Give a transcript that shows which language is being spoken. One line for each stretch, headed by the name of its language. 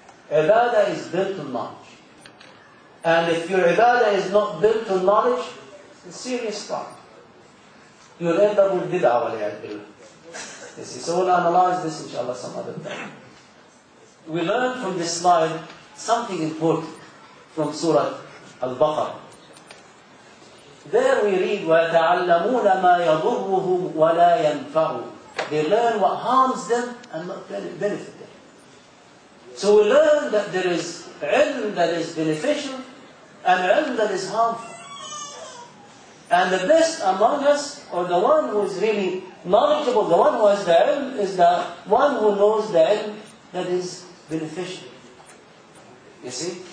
English: Ibadah is built on knowledge. And if your ibadah is not built on knowledge, it's a serious problem. You'll end up with bid'ah wa li'ad billah. You see, so we'll analyze this inshallah some other time. We learn from this slide something important from Surah Al-Baqarah. There we read,
Arabic: وَتَعَلَّمُونَ مَا يَضُرُّهُمْ وَلَا يَنْفَعُهُمْ.
English: They learn what harms them and not benefit them. So we learn that there is ilm that is beneficial and ilm that is harmful. And the best among us, or the one who is really knowledgeable, the one who has the ilm, is the one who knows the ilm that is beneficial. You see?